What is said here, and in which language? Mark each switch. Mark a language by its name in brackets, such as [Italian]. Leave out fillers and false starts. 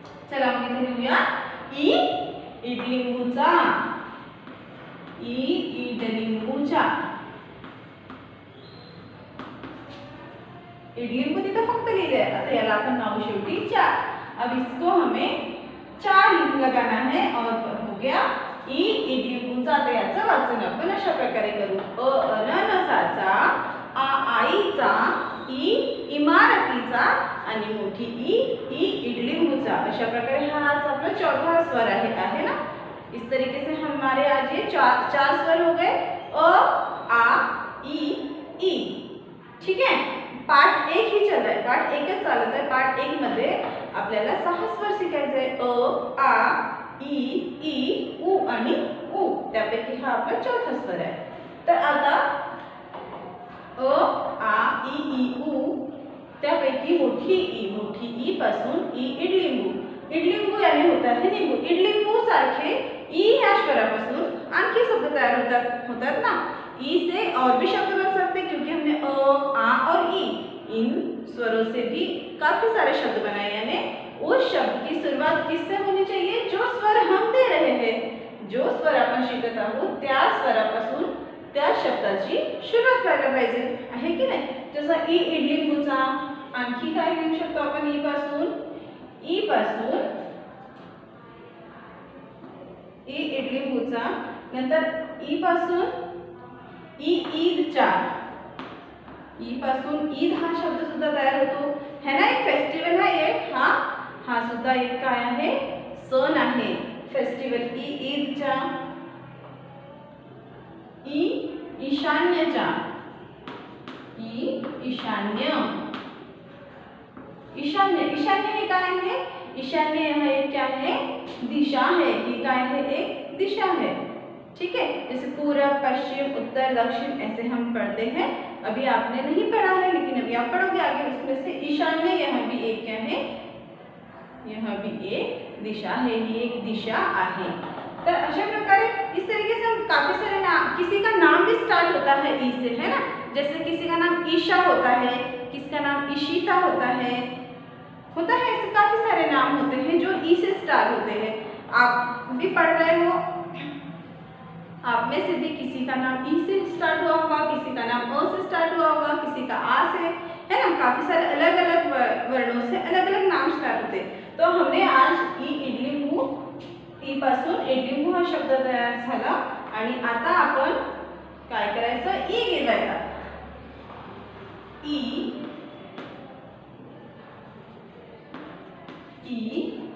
[Marathi] चला आपण इथे लिहूया ई इडलिंबूचा, ई इडलिंबूचा इडलिंबू तिथे फक्त लिहिले आहे, आता याला आपण नाव शेवटी चार। [Hindi] अब इसको हमें चार इंक लगाना है और हो गया ई इडलिंबूचा। [Marathi] तो याचं वाचन आपण अशा प्रकारे करू, अ अननसाचा, आ आईचा, ई इमारतीचा आणि मोठी ई ई इडलिंबूचा। अशा प्रकारे हाच आपला चौथा स्वर आहे ना। [Hindi] इस तरीके से हमारे आज ये चार स्वर हो गए, अ आ ई ई। ठीक है, पार्ट एक ही चल रहा है, पार्ट एक चालत है। [Marathi] पार्ट एक मध्ये आपल्याला सहा स्वर शिकायचे, अ आ ई ई ऊ आणि ऊ, त्यापैकी हा आपला चौथा स्वर आहे। तर आता अ आ ई ई ऊ, त्यापैकी मोठी ई पासून ई इडलिंबू। [Hindi] इडलिंबू याने होता है निंबू। [Marathi] इडलिंबू सारखे ई या स्वरापासून आणखी शब्द तयार होतात ना। [Hindi] ई से और भी शब्द बन सकते, क्योंकि हमने अ आ और ई इन स्वरों से भी काफी सारे शब्द बनाए। यानी उस शब्द की शुरुआत किससे होनी चाहिए, जो स्वर हम दे रहे हैं, [Marathi] जो स्वर आपण शिकत आहोत त्या स्वरापासून त्या शब्दाची शुरुआत व्हायला पाहिजे, आहे की नाही। जसं ई इडलिंबूचा, आणखी काय घेऊ शकतो आपण ई पासून, ई पासून ई इडलिंबूचा, नंतर ई पासून ई ईदचा, ई पासून ईद हा शब्द सुद्धा तयार होतो, है ना। [Hindi] एक फेस्टिवल है, [Marathi] एक हा सुद्धा एक काय आहे, सण आहे फेस्टिवल। ई ईदचा, ई ईशान्यचा, ई ईशान्य, ईशान्य, ईशान्य हे काय आहे, ईशान्य हा एक [Hindi] क्या है, दिशा है। [Marathi] ई काय आहे, [Hindi] एक दिशा है। ठीक है, जैसे पूरब, पश्चिम, उत्तर, दक्षिण, ऐसे हम पढ़ते हैं। अभी आपने नहीं पढ़ा है, लेकिन अभी आप पढ़ोगे आगे, उसमें से ईशान्य यहाँ भी एक क्या है, यहाँ भी एक दिशा है, ये एक दिशा आहे। तो अच्छे प्रकार इस तरीके से हम काफी सारे नाम, किसी का नाम भी स्टार्ट होता है ई से, है ना। जैसे किसी का नाम ईशा होता है, किसका नाम ईशिता होता है, ऐसे काफी सारे नाम होते हैं जो ई से स्टार्ट होते हैं। आप भी पढ़ रहे हो, आप में से भी किसी का नाम ई से स्टार्ट हुआ होगा, किसी का नाम अ से स्टार्ट हुआ होगा, किसी का आ से, है ना। काफी सारे अलग अलग वर्णों से अलग अलग नाम स्टार्ट होते। तो हमने आज ई इडलिंबू, [Marathi] ई पासून इडलिंबू हा शब्द तयार झाला, आणि आता आपण काय करायचं, ई घेऊया, ई ई